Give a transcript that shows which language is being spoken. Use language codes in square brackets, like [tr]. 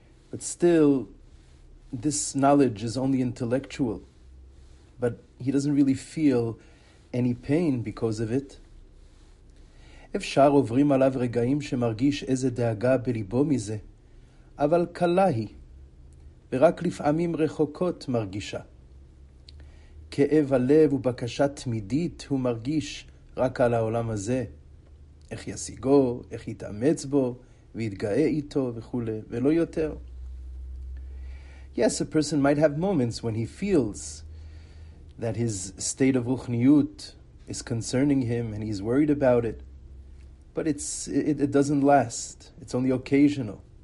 [en] But still, this knowledge is only intellectual, but he doesn't really feel any pain because of it. [he] Efshar ovrim alav regaim shemargish eze deaga belibo mize, aval kalahi, ורק לפעמים רחוקות מרגישה. כאב הלב ובקשה תמידית הוא מרגיש רק על העולם הזה. איך ישיגו, איך יתאמץ בו, ויתגאה איתו וכו', ולא יותר. [en] Yes, a person might have moments when he feels that his state of ruchniyut is concerning him and he's worried about it, but it doesn't last. It's only occasional.